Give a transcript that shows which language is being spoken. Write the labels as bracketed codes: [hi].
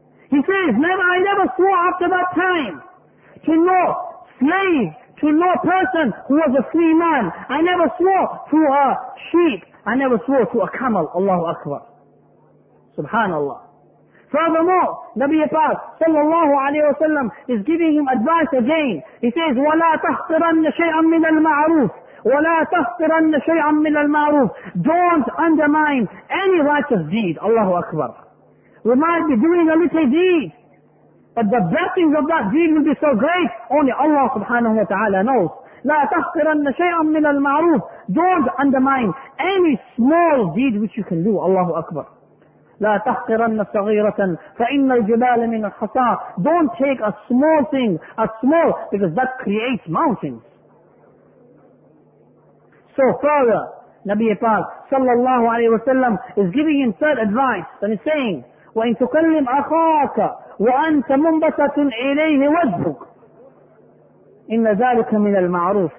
[en] He says, I never swore after that time to no slave, to no person who was a free man. I never swore to a sheep. I never swore to a camel. Allahu Akbar. Subhanallah. Furthermore, Nabi Pak sallallahu alayhi wa sallam is giving him advice again. He says, [ar] وَلَا تَحْقِرَنَّ شَيْئًا مِنَ الْمَعْرُوفِ وَلَا تَحْقِرَنَّ شَيْئًا مِنَ الْمَعْرُوفِ. [en] Don't undermine any righteous deed. Allahu Akbar. We might be doing a little deed, but the blessings of that deed will be so great, only Allah subhanahu wa ta'ala knows. [ar] لا تَحْقِرَنَّ شَيْئًا مِنَ الْمَعْرُوفِ. [en] Don't undermine any small deed which you can do. Allahu Akbar. [ar] لا تحقرن صغيرة فإن الجبال من الخطا. [en] Don't take a small thing, a small, because that creates mountains. So further, Nabi Pak sallallahu alayhi wa sallam is giving him third advice and he's saying, [ar] وَإِن تُكَلِّمْ أَخَاكَ وَأَنْتَ مُنْبَتَةٌ إِلَيْهِ وَجْهُكَ إِنَّ ذَلِكَ مِنَ الْمَعْرُوفِ.